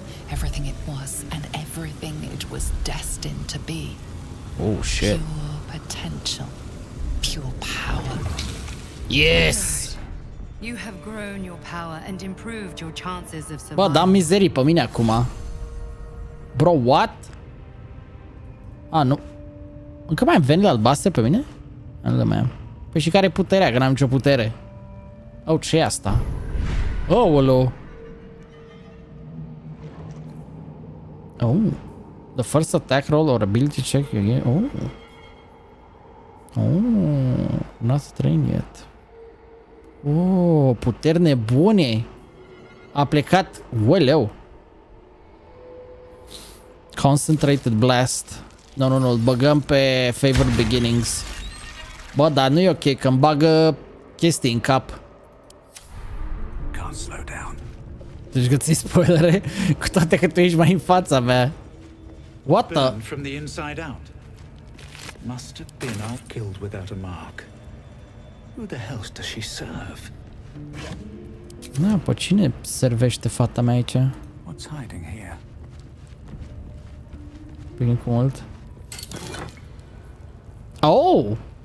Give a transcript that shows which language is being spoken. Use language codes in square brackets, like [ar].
[en] Everything it was and everything it was destined to be. Oh, shit. Pure potential. Pure power. Yes! You have grown your power and improved your chances of survival. [ro] Bă, da mizerii pe mine acum. [en] Bro, what? [ro] Ah, nu. Încă mai am venile albastre pe mine? Nu le mai am. Păi și care e puterea, că n-am nicio putere? Oh, ce e asta? Oh, alo. Oh. [en] The first attack roll or ability check again. Oh. Oh, not trained yet. [ro] Oh, puteri nebune. A plecat. Uleu. [en] Concentrated blast. No, no, no. [ro] Băgăm pe favorite beginnings. Bă, dar nu e ok că îmi bagă chestii în cap. [en] Can't slow down. [ro] Deci că ți-i spoilere cu toate că tu ești mai în fața mea. [en] What the? Burned from the inside out. Must have been out killed without a mark. Who the hell does she serve? [ro] Na, pe cine servește fata mea aici? [en] What's hiding here? [ro] Bine cu mult. Oh!